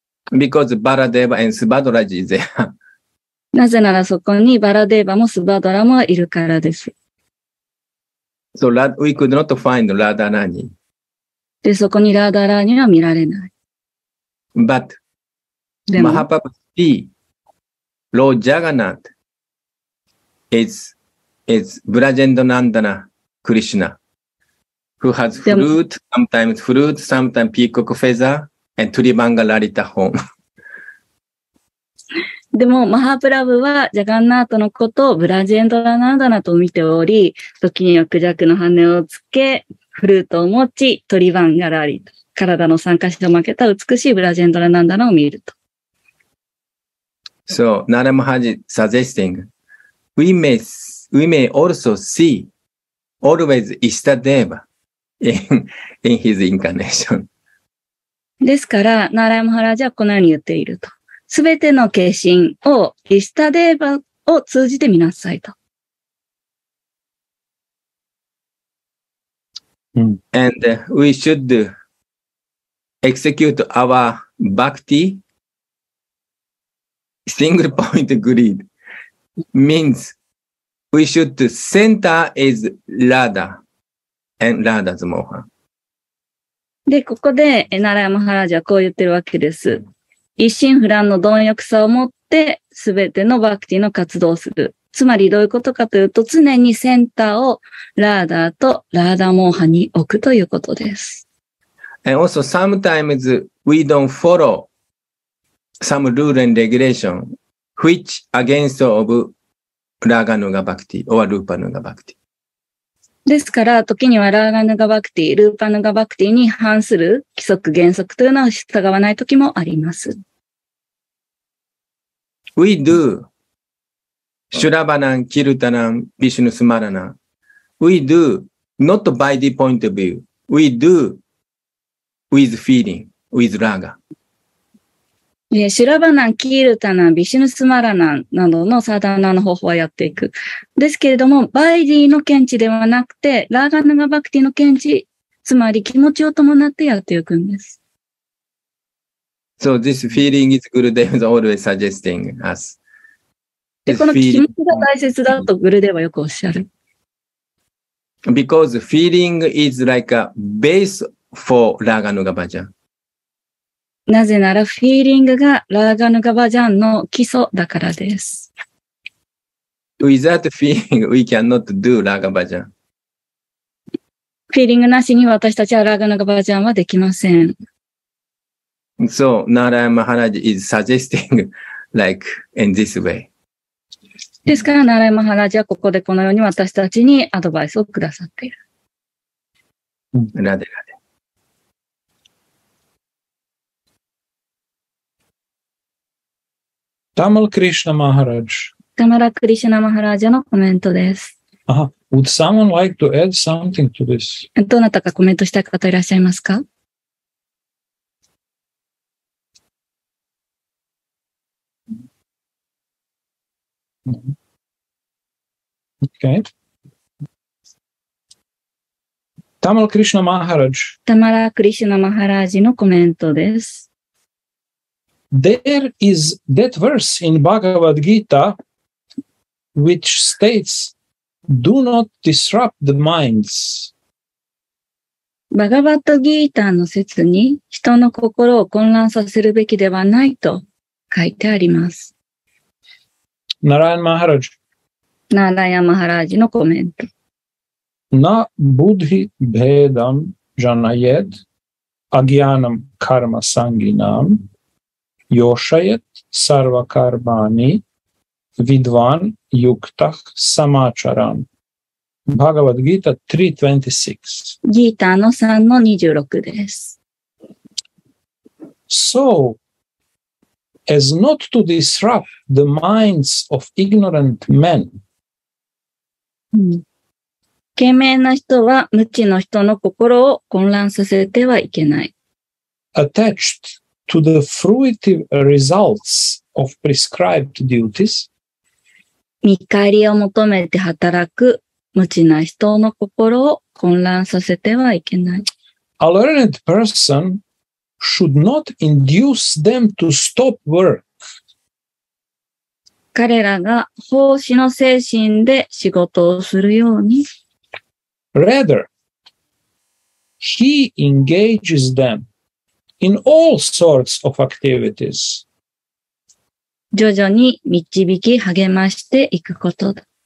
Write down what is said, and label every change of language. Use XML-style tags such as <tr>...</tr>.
<en>Because Baladeva and Subhadraji is there.</en> <ja>なぜならそこにバラデーバもスバドラもいるからです。</ja> <en>So, we could not find Radharani.</en> <ja>で、そこにラーダーラーには見られない。</ja> <en>But, Mahaprabhu see Lord Jagannath is Brajendra Nandana Krishna, who has fruit, sometimes fruit, sometimes peacock feather, and Tribhanga Lalita horn.</en> <ja>でも、マハプラブはジャガンナートのことをブラジェンドラナンダナと見ており、時にはクジャクの羽をつけ、フルートを持ち、トリバンガラリ、体の三箇所を負けた美しいブラジェンドラナンダナを見ると。</ja> <en>So, Narayan Maharaj suggesting, we may also see always Ishtadeva in his incarnation.</en> <ja>ですから、Narayan Maharaj はこのように言っていると。すべての化身をIshtadevaを通じて見なさいと。</ja> <en>And we should execute our bhakti single point greed means we should center is Radha and Radha's moha.</en> <ja>で、ここで、ナラヤマハラジはこう言ってるわけです。一心不乱の貪欲さを持って全てのバクティの活動をする。つまりどういうことかというと常にセンターをラーダーとラーダーモーハに置くということです。</ja> <en>And also sometimes we don't follow some rule and regulation which against of ラーガヌガバクティ or ルーパヌガバクティ。</en> <ja>ですから時にはラーガヌガバクティ、ルーパヌガバクティに反する規則原則というのを従わない時もあります。</ja> <en>We do シュラバナン、キルタナン、ビシュヌスマラナン。 We do not by the point of view. We do with feeling, with raga.</en> <ja>シュラバナン、キルタナン、ビシュヌスマラナンなどのサーダナの方法はやっていく。ですけれども、バイディの見地ではなくて、ラーガナガバクティの見地、つまり気持ちを伴ってやっていくんです。</ja> <en>So this feeling is Gurudev is always suggesting us.</en> <ja>で、この気持ちが大切だとグルデはよくおっしゃる。</ja> <en>Because feeling is like a base for ラーガヌガバジャン。</en> <ja>なぜなら、feeling がラーガヌガバジャンの基礎だからです。</ja> <en>Without feeling, we cannot do ラーガバジャン。</en> <ja>Feeling なしに私たちはラーガヌガバジャンはできません。</ja> <en>So, Narayan Maharaj is suggesting like in this way.</en> <ja>ですから、ナラヤマハラジはここでこのように私たちにアドバイスをくださっている。ラデラデ。タマラ・クリシュナ・マハラジ。タマラ・クリシュナ・マハラジのコメントです。</ja> <en>Would someone like to add something to this?</en> <ja>どなたかコメントしたい方いらっしゃいますか?</ja> <en>Okay. Tamal Krishna Maharaj.</en> <ja>Tamala Krishna Maharaj のコメントです。</ja> <en>There is that verse in Bhagavad Gita which states, do not disrupt the minds.</en> <ja>バガバットギーターの説に人の心を混乱させるべきではないと書いてあります。ナラヤンマハラジ。ナラヤンマハラジのコメント。</ja> <sa>Na buddhi bhedam janayet agyanam karma sanginam yoshayet sarvakarbani vidvan yuktah samacharan Bhagavad Gita 3.26</sa> <ja>Gita の 3.26 です</ja> <en>So, as not to disrupt the minds of ignorant men、</en> <ja>賢明な人は無知の人の心を混乱させてはいけない。</ja> <en>Attached to the fruitive results of prescribed duties,</en> <ja>見返りを求めて働く無知な人の心を混乱させてはいけない。</ja> <en>A learned person should not induce them to stop work.</en> <ja>彼らが奉仕の精神で仕事をするように、</ja> <en>Rather, he engages them in all sorts of activities.</en> <ja>徐々に導き励ましていくことだ。</ja>